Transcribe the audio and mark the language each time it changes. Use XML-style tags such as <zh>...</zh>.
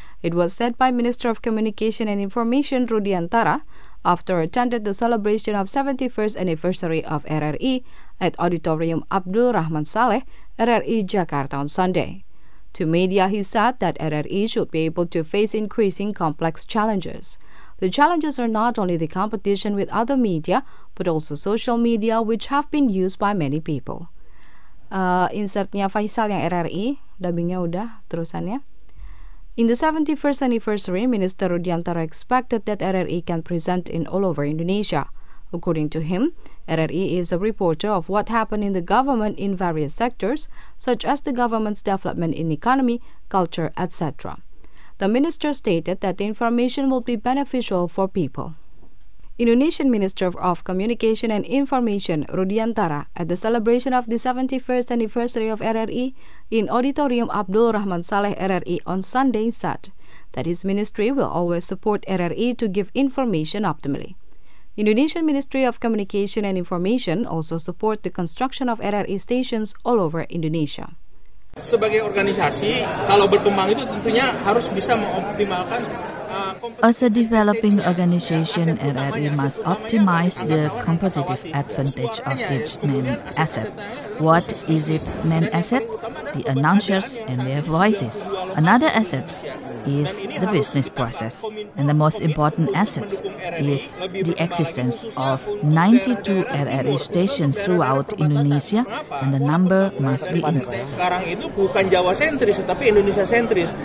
<en>It was said by Minister of Communication and Information Rudi Antara after attended the celebration of 71st anniversary of RRI at Auditorium Abdul Rahman Saleh, RRI Jakarta on Sunday. To media, he said that RRI should be able to face increasing complex challenges. The challenges are not only the competition with other media, but also social media, which have been used by many people.</en> <id>Insertnya Faisal yang RRI, dubbingnya udah, terusannya.</id> <en>In the 71st anniversary, Minister Rudi Antara expected that RRI can present in all over Indonesia. According to him, RRI is a reporter of what happened in the government in various sectors, such as the government's development in economy, culture, etc. The minister stated that the information will be beneficial for people. Indonesian Minister of Communication and Information Rudi Antara at the celebration of the 71st anniversary of RRI in Auditorium Abdul Rahman Saleh RRI on Sunday said that his ministry will always support RRI to give information optimally. Indonesian Ministry of Communication and Information also support the construction of RRI stations all over Indonesia.</en> <id>Sebagai organisasi, kalau berkembang itu tentunya harus bisa mengoptimalkan.</id> <en>As a developing organization, RRI must optimize the competitive advantage of its main asset. What is its main asset? The announcers and their voices. Another asset is the business process. And the most important asset is the existence of 92 RRI stations throughout Indonesia, and the number must be increased.</en> <id>Sekarang itu bukan Jawa sentris, tapi Indonesia sentris.</id>